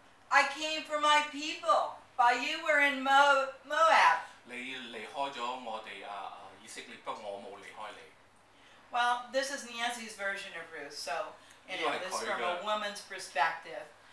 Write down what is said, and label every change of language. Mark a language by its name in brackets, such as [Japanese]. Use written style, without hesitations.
[English] I came for my people, but you were in Moab. [Chinese] 你離開咗我哋以色列，不過我冇離開你。 [English] Well, this is Nancy's version of Ruth, so anyway, this is from a woman's perspective.